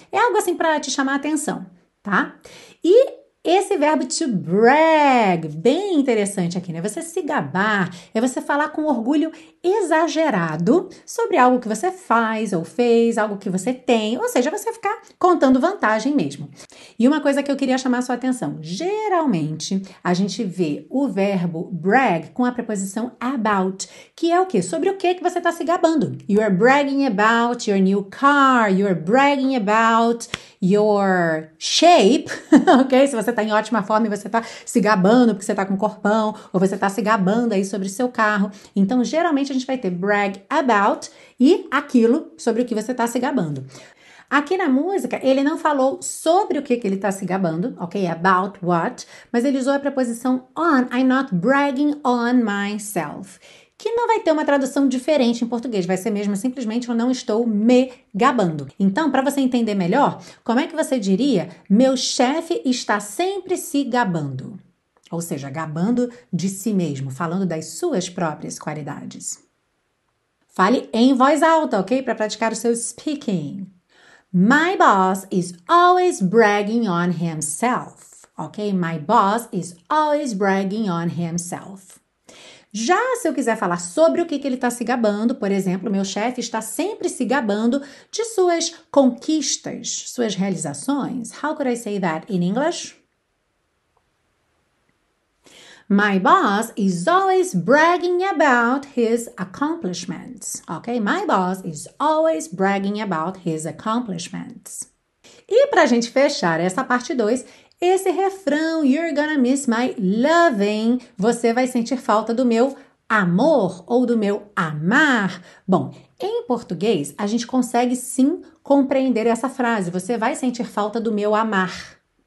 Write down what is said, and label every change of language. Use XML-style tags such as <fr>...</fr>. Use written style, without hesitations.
<pt>É algo assim para te chamar a atenção, tá? E esse verbo to brag, bem interessante aqui, né? Você se gabar é você falar com orgulho exagerado sobre algo que você faz ou fez, algo que você tem, ou seja, você ficar contando vantagem mesmo. E uma coisa que eu queria chamar a sua atenção: geralmente a gente vê o verbo brag com a preposição about, que é o quê? Sobre o quê que você está se gabando?</pt> <en>You are bragging about your new car, you are bragging about your shape, ok?</en> <pt>Se você está em ótima forma e você está se gabando porque você está com corpão, ou você está se gabando aí sobre o seu carro. Então, geralmente, a gente vai ter brag about e aquilo sobre o que você está se gabando. Aqui na música, ele não falou sobre o que ele está se gabando, ok? About what, mas ele usou a preposição on,</pt> <en>I'm not bragging on myself,</en> <pt>que não vai ter uma tradução diferente em português, vai ser mesmo simplesmente eu não estou me gabando. Então, para você entender melhor, como é que você diria meu chefe está sempre se gabando? Ou seja, gabando de si mesmo, falando das suas próprias qualidades. Fale em voz alta, ok? Para praticar o seu speaking.</pt> <en>My boss is always bragging on himself, ok? My boss is always bragging on himself.</en> <pt>Já se eu quiser falar sobre o que ele está se gabando, por exemplo, meu chefe está sempre se gabando de suas conquistas, suas realizações.</pt> <en>How could I say that in English? My boss is always bragging about his accomplishments. Okay? My boss is always bragging about his accomplishments.</en> <pt>E para a gente fechar essa parte 2, esse refrão,</pt> <en>You're gonna miss my loving,</en> <pt>você vai sentir falta do meu amor ou do meu amar. Bom, em português, a gente consegue sim compreender essa frase, você vai sentir falta do meu amar.</pt>